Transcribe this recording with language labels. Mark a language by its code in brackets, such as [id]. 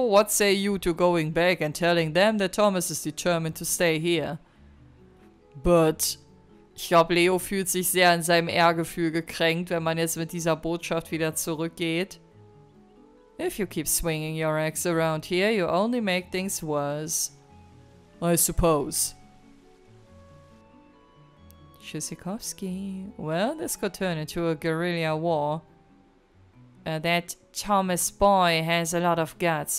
[en] What say you to going back and telling them that Thomas is determined to stay here? But... [de] Ich glaube, Leo fühlt sich sehr in seinem Ehrgefühl gekränkt, wenn man jetzt mit dieser Botschaft wieder zurückgeht. [en] If you keep swinging your axe around here, you only make things worse. I suppose. [de] Tschüssikowski. [en] Well, this could turn into a guerrilla war. That Thomas boy has a lot of guts.